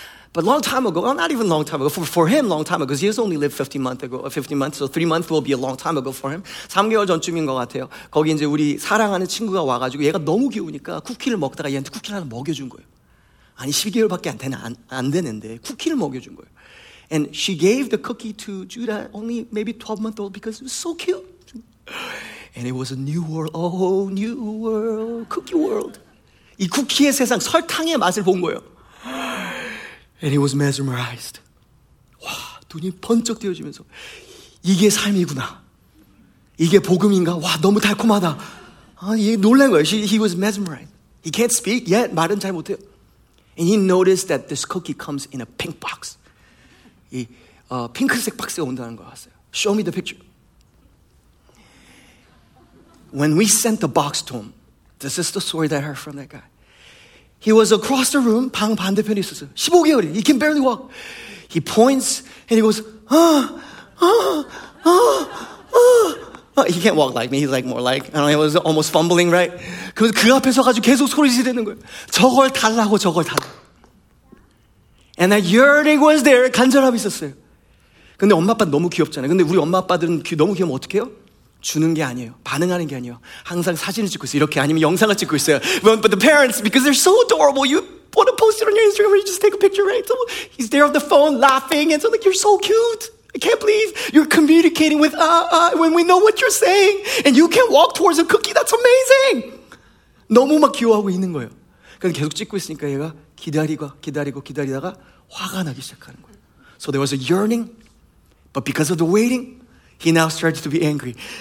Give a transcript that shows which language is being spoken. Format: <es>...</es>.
<en>But long time ago, well, not even long time ago, for him, long time ago, because he has only lived 15 months, so 3 months will be a long time ago for him.</en> <ko>3개월 전쯤인 것 같아요. 거기 이제 우리 사랑하는 친구가 와가지고 얘가 너무 귀우니까 쿠키를 먹다가 얘한테 쿠키를 하나 먹여준 거예요. 아니, 12개월밖에 안 되는데 쿠키를 먹여준 거예요.</ko> <en>And she gave the cookie to Judah, only maybe 12 months old, because it was so cute. And it was a new world, a whole new world, cookie world.</en> <ko>이 쿠키의 세상, 설탕의 맛을 본 거예요.</ko> <en>And he was mesmerized.</en> <ko>와, 눈이 번쩍 띄어지면서, 이게 삶이구나. 이게 복음인가? 와, 너무 달콤하다. 아, 얘 놀란 거예요.</ko> <en>He was mesmerized. He can't speak yet,</en> <ko>말은 잘 못해요.</ko> <en>And he noticed that this cookie comes in a pink box.</en> <ko>이 핑크색 박스에 온다는 거 같아요.</ko> <en>Show me the picture. When we sent the box to him, this is the story that I heard from that guy. He was across the room,</en> <ko>방 반대편에 있었어요. 15개월이에요.</ko> <en>He can barely walk. He points and he goes, He can't walk like me. He's like more like, I don't know, he was almost fumbling, right?</en> <ko>그 앞에서 가지고 계속 소리 지르는 거예요. 저걸 달라고, 저걸 달라고.</ko> <en>And that yearning was there.</en> <ko>간절함이 있었어요. 근데 엄마 아빠 너무 귀엽잖아요. 근데 우리 엄마 아빠들은 너무 귀여우면 어떡해요? 주는 게 아니에요. 반응하는 게 아니에요. 항상 사진을 찍고 있어요. 이렇게 아니면 영상을 찍고 있어요.</ko> <en>But the parents, because they're so adorable, you want to post it on your Instagram or you just take a picture, right? So he's there on the phone laughing and so like, you're so cute. I can't believe you're communicating with when we know what you're saying and you can walk towards a cookie. That's amazing.</en> <ko>너무 막 귀여워하고 있는 거예요. 근데 계속 찍고 있으니까 얘가 기다리다가 화가 나기 시작하는 거예요.</ko> <en>So there was a yearning, but because of the waiting, he now started to be angry.</en>